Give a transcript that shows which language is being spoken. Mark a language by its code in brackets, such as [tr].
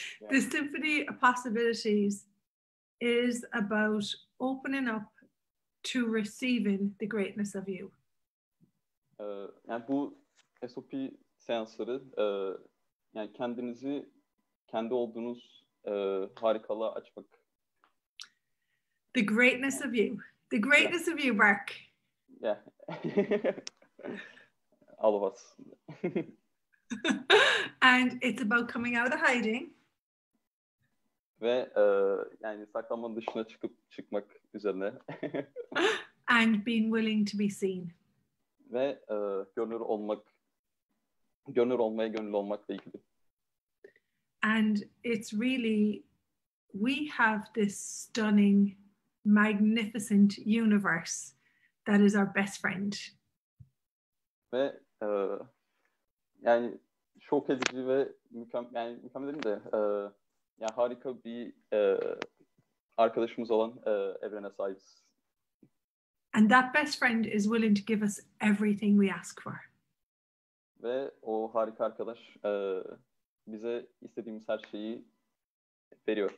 [en] The Symphony of Possibilities is about opening up to receiving the greatness of you. [tr] Yani bu SOP seansları yani kendinizi kendi olduğunuz harikalığa açmak. [en] The greatness of you. The greatness of you, Mark. Yeah. All of us. And it's about coming out of hiding. [tr] Ve yani saklamanın dışına çıkmak üzerine. [en] And being willing to be seen. [tr] Ve gönül olmakla ilgili. [en] And it's really, we have this stunning, magnificent universe that is our best friend. [tr] Ve yani şok edici ve mükemmel dedim de... Ya harika bir arkadaşımız olan evrene sahibiz. [en] And that best friend is willing to give us everything we ask for. [tr] Ve o harika arkadaş bize istediğimiz her şeyi veriyor.